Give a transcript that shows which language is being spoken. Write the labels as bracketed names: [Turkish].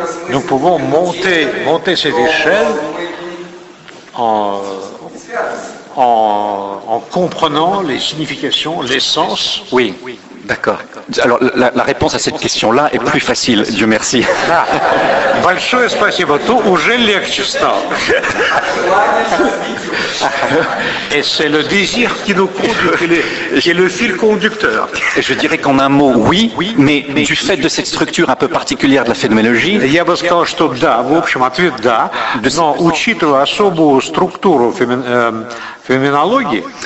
[French] Nous pouvons monter cette échelle en comprenant les significations, l'essence. Oui, d'accord. Alors la réponse à cette question-là est plus facile, Dieu merci. [Russian] Большое спасибо, то уже легче стало. [French] Et c'est le désir qui nous conduit, qui est le fil conducteur. Et je dirais qu'en un mot, oui mais du fait de cette structure un peu particulière de la phénoménologie, [Russian] я бы сказал, что да, в общем, ответ да, но учитывая особую структуру феноменологии,